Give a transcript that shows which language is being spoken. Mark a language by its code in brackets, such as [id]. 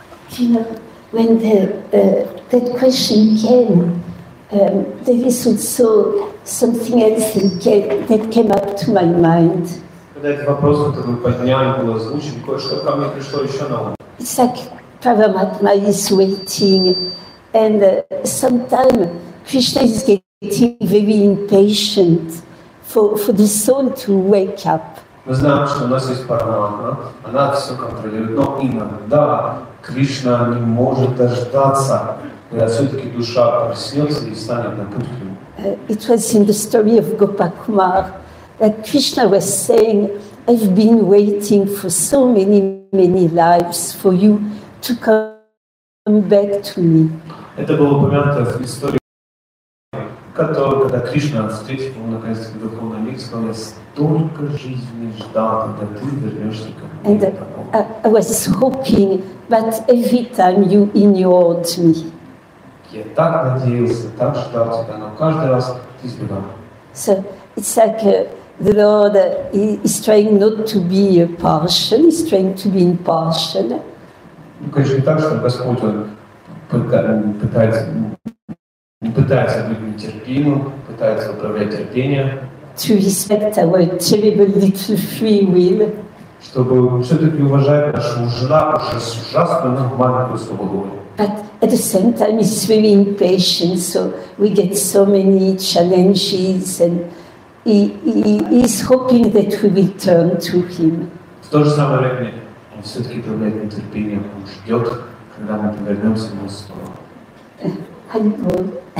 [en] You know, when the question came, there is also something else that came up to my mind. [ru] Когда этот вопрос, который мы подняли, был озвучен, кое-что ко мне пришло еще на ум. [en] It's like Paramatma is waiting, and sometimes Krishna is getting very impatient for the soul to wake up. [ru] Мы знаем, что у нас есть Параматма, она все контролирует, но иногда Кришна не может дождаться, когда все-таки душа проснется и станет на путь к нему. [en] It was in the story of Gopakumar. That Krishna was saying, I've been waiting for so many, many lives for you to come back to me. [ru] Это было упомянуто в истории, когда Кришна встретил его наконец-то в духовном мире, сказал, я столько жизни ждал, когда ты вернешься ко мне. [en] And I was hoping, but every time you ignored me. [ru] Я так надеялся, так ждал тебя, но каждый раз ты избегал. [en] So it's like the Lord is trying not to be partial, he's trying to be impartial. [ru] Ну, конечно, не так, что Господь пытается быть нетерпимым, пытается управлять терпением. [en] To respect our terrible little free will. [ru] Чтобы все-таки уважать нашу ужасную маленькую свободу. [en] But at the same time, he's very impatient, so we get so many challenges and He's hoping that we will turn to him. [ru] В то же самое время он все-таки проявляет нетерпение, он ждет, когда мы повернемся в его сторону.